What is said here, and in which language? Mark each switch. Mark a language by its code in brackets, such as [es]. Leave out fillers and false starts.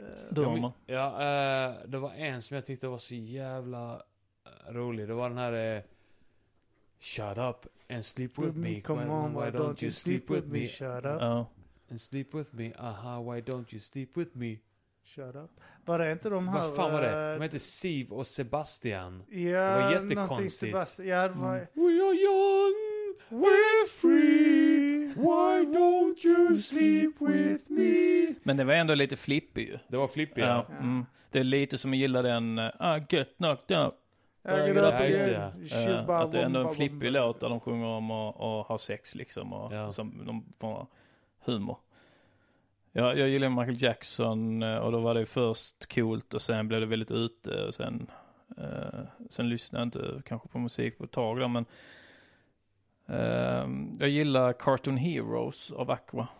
[sv] Det var en som jag tyckte var så jävla rolig. Det var den här [en] Shut up and sleep with me. Come on, why don't you sleep with me? Shut up and sleep with me. Aha, why don't you sleep with me? Shut up. [sv] Var det inte de här? Vad fan var det? De heter Siv och Sebastian. Ja, det var jättekonstigt. Ja, det var... [en] We are young, we're free. Why don't you sleep with me? [sv] Men det var ändå lite flippy ju. Det var flippy, ja. Det är lite som att gilla den Get knocked up. Att det är ändå en flippy låt där de sjunger om och har sex liksom. Och som de får humor. Ja, jag gillar Michael Jackson och då var det först coolt och sen blev det väldigt ute och sen lyssnade jag inte kanske på musik på ett tag då, men jag gillar Cartoon Heroes av Aqua.